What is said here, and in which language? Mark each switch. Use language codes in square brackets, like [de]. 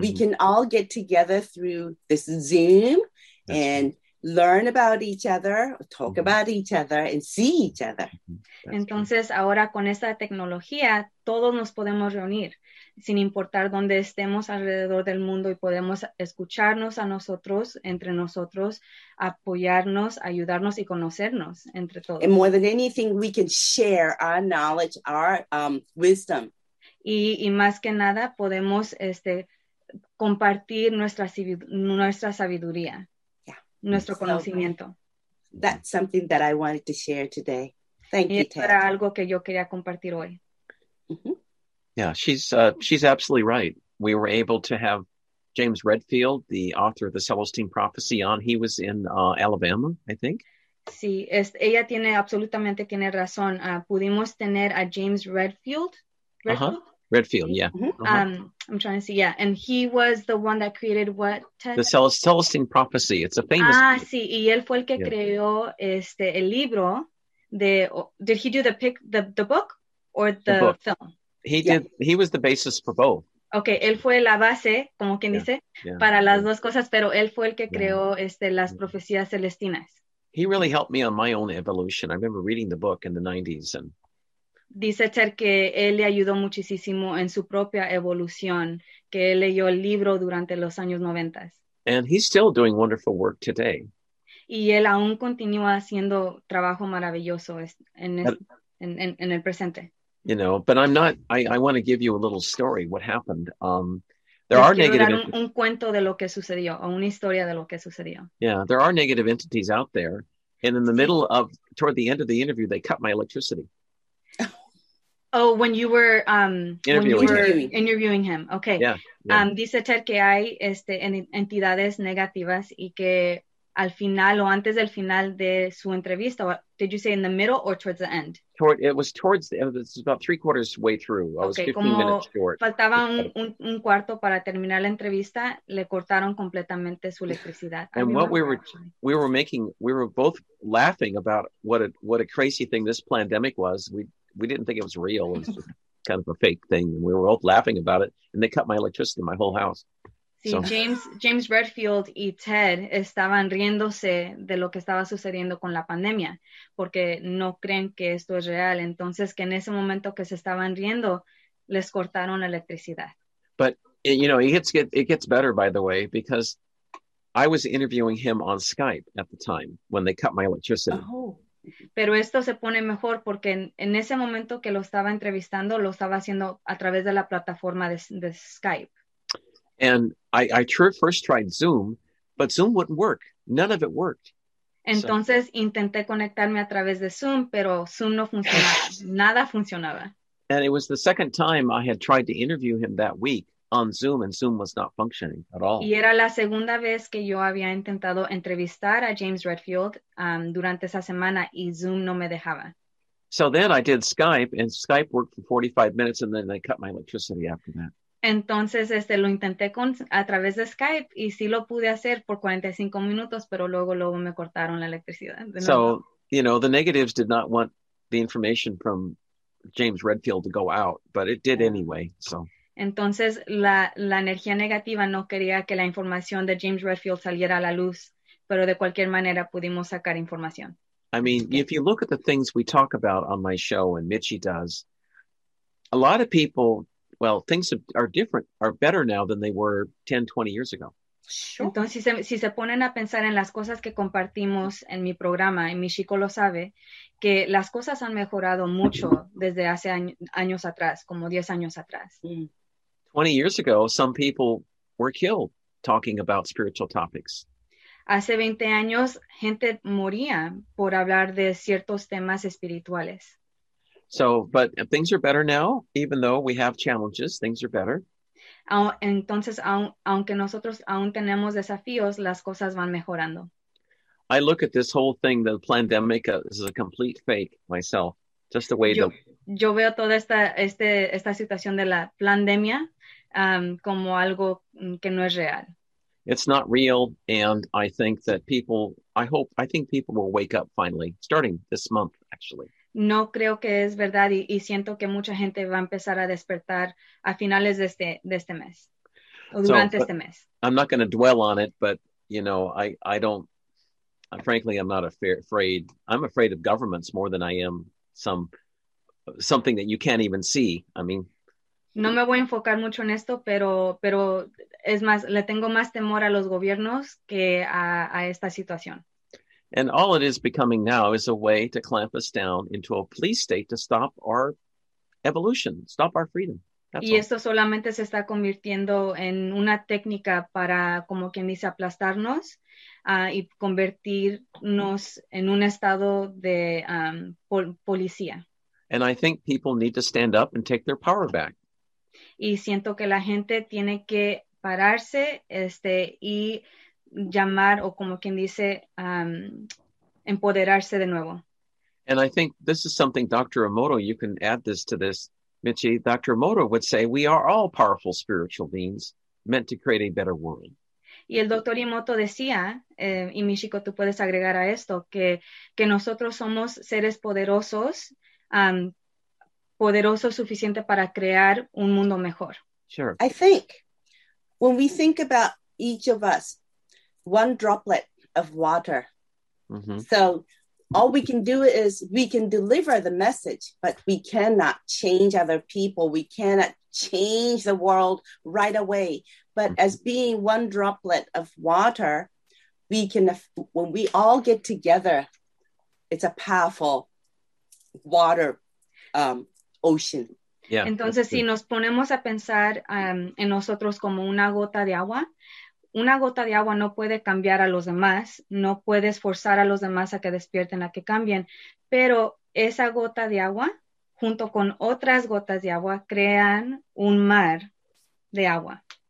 [en] we can all get together through this Zoom. That's and true. Learn about each other, talk mm-hmm. about each other, and see each other. [es] Entonces, ahora con esta tecnología, todos nos podemos reunir, sin importar dónde estemos alrededor del mundo, y podemos escucharnos a nosotros, entre nosotros, apoyarnos, ayudarnos y conocernos entre todos. [en] And more than anything, we can share our knowledge, our wisdom. [es] Y más que nada, podemos compartir nuestra sabiduría. Nuestro conocimiento. [en] That's something that I wanted to share today. Thank you, Ted. [es] Era algo que yo quería compartir hoy. Mm-hmm. [en] Yeah, she's absolutely right. We were able to have James Redfield, the author of the Celestine Prophecy, on. He was in Alabama, I think. [es] Sí, ella tiene absolutamente tiene razón. Pudimos tener a James Redfield. [en] Redfield, yeah. Mm-hmm. I'm trying to see, yeah. And he was the one that created what? The Celestine Prophecy. It's a famous book. [es] Sí. Y él fue el que creó el libro de... [en] Did he do the book or the book. Film? He was the basis for both. [es] Okay, él fue la base, como quien dice, para las dos cosas, pero él fue el que creó las profecías celestinas. [en] He really helped me on my own evolution. I remember reading the book in the 90s and... [es] Dice Ter que él le ayudó muchísimo en su propia evolución, que él leyó el libro durante los años 90. [en] And he's still doing wonderful work today. [es] Y él aún continúa haciendo trabajo maravilloso en el presente. [en] You know, but I'm not, I want to give you a little story, what happened. There are negative entities. [es] Un cuento de lo que sucedió, o una historia de lo que sucedió. [en] Yeah, there are negative entities out there. And in the middle of, toward the end of the interview, they cut my electricity. Oh, when you were interviewing him. Okay. Yeah. [es] Dice Ted que hay entidades negativas y que al final o antes del final de su entrevista, [en] did you say in the middle or towards the end? It was about 3/4 way through. I was 15 [es] como [en] minutes short. [es] Faltaba un cuarto para terminar la entrevista, le cortaron completamente su electricidad. [en] And what we were both laughing about what a crazy thing this pandemic was. We didn't think it was real. It was kind of a fake thing. And we were all laughing about it. And they cut my electricity in my whole house. See, so. [es] James Redfield y Ted estaban riéndose de lo que estaba sucediendo con la pandemia. Porque no creen que esto es real. Entonces, que en ese momento que se estaban riendo, les cortaron la electricidad. [en] But, you know, it gets better, by the way, because I was interviewing him on Skype at the time when they cut my electricity. Oh. [es] Pero esto se pone mejor porque en ese momento que lo estaba entrevistando, lo estaba haciendo a través de la plataforma de Skype. [en] And I first tried Zoom, but Zoom wouldn't work. None of it worked. [es] Entonces intenté conectarme a través de Zoom, pero Zoom no funcionaba. Nada funcionaba. [en] And it was the second time I had tried to interview him that week on Zoom, and Zoom was not functioning at all. [es] Y era la segunda vez que yo había intentado entrevistar a James Redfield durante esa semana, y Zoom no me dejaba. [en] So then I did Skype, and Skype worked for 45 minutes, and then they cut my electricity after that. [es] Entonces, lo intenté a través de Skype, y sí lo pude hacer por 45 minutos, pero luego me cortaron la electricidad. [en] So, you know, the negatives did not want the information from James Redfield to go out, but it did anyway, so... [es] Entonces, la energía negativa no quería que la información de James Redfield saliera a la luz, pero de cualquier manera pudimos sacar información. [en] I mean, if you look at the things we talk about on my show and Mitchie does, a lot of people, well, things are different, are better now than they were 10, 20 years ago. Sure. [es] Entonces, si se ponen a pensar en las cosas que compartimos en mi programa, y mi chico lo sabe, que las cosas han mejorado mucho desde hace años atrás, como 10 años atrás. Mm. [en] 20 years ago, some people were killed talking about spiritual topics. [es] Hace 20 años, gente moría por hablar de ciertos temas espirituales. [en] So, but things are better now, even though we have challenges, things are better. [es] Entonces, aunque nosotros aún tenemos desafíos, las cosas van mejorando. [en] I look at this whole thing, the pandemic, as a complete fake myself. Just the way [es] Yo veo toda esta situación de la pandemia como algo que no es real. [en] It's not real, and I think that people, I think people will wake up finally, starting this month, actually. [es] No creo que es verdad, y siento que mucha gente va a empezar a despertar a finales de este mes, o durante este mes. [en] I'm not going to dwell on it, but, you know, I don't, frankly, I'm not afraid. I'm afraid of governments more than I am something that you can't even see. I mean, [es] no me voy a enfocar mucho en esto, pero es más, le tengo más temor a los gobiernos que a esta situación. [en] And all it is becoming now is a way to clamp us down into a police state to stop our evolution, stop our freedom. That's [es] y [en] all. [es] Esto solamente se está convirtiendo en una técnica para, como quien dice, aplastarnos y convertirnos en un estado de policía. [en] And I think people need to stand up and take their power back. [es] Y siento que la gente tiene que pararse y llamar, o como quien dice, empoderarse de nuevo. [en] And I think this is something Dr. Emoto, you can add this to this, Michi. Dr. Emoto would say, we are all powerful spiritual beings meant to create a better world. [es] Y el Dr. Emoto decía, y Michiko, tú puedes agregar a esto, que nosotros somos seres poderosos, poderoso suficiente para crear un mundo mejor. [en] Sure. I think when we think about each of us, one droplet of water. Mm-hmm. So all we can do is we can deliver the message, but we cannot change other people. We cannot change the world right away. But as being one droplet of water, we can, when we all get together, it's a powerful water ocean. Yeah, [es] entonces, si nos ponemos a pensar en nosotros como una gota de agua no puede cambiar a los demás, no puede forzar a los demás a que despierten, a que cambien, pero esa gota de agua, junto con otras gotas de agua, crean un mar de agua.